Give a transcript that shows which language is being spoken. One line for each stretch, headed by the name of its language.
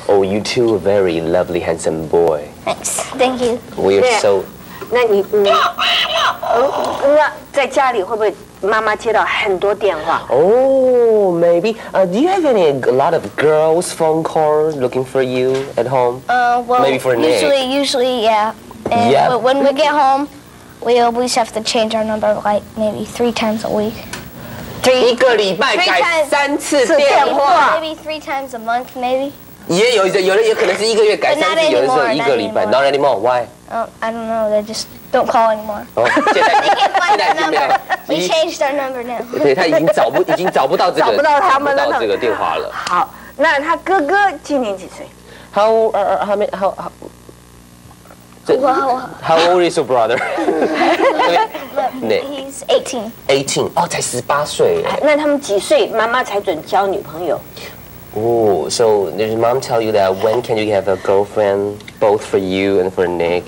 English: Oh, you two are very lovely handsome boy. Thanks. Thank you. We are so.
Chinese: 那你那在家里会不会妈妈接到很多电话
English: maybe. Do you have a lot of girls phone calls looking for you at home? Maybe for Nick. Usually, yeah. But when we get home, we always have to change our number like maybe three times a week.
Chinese: 一个礼拜改三次电话
English: Maybe three times a month, maybe.
Chinese: 也有的，有的也可能是一个月改三次，有的时候一个礼拜。
English: Not anymore. Why? I don't know. They just don't call anymore. They can't find our number. We changed our number now.
Chinese: 对，他已经找不到这个，找不到他们了，这个电话了。好，那他哥哥今年几岁
English: How old is your brother? Nick. He's 18.
Chinese: 18, 才18岁。那他们几岁妈妈才准交女朋友？
English: Oh, so did your mom tell you that when can you have a girlfriend, both for you and for Nick?